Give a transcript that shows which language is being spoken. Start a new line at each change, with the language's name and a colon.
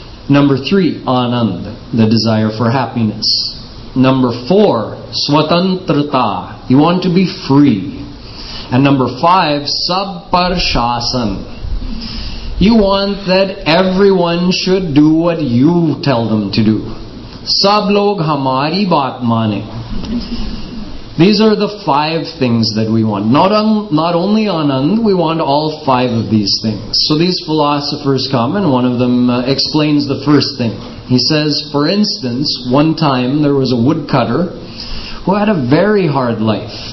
English: Number three, Anand, the desire for happiness. Number four, Swatantrata, you want to be free. And number five, सबपरशासन. You want that everyone should do what you tell them to do.
Hindi: सब लोग हमारी बात माने।
English: These are the five things that we want. Not only Anand, we want all five of these things. So these philosophers come and one of them explains the first thing. He says, for instance, one time there was a woodcutter who had a very hard life.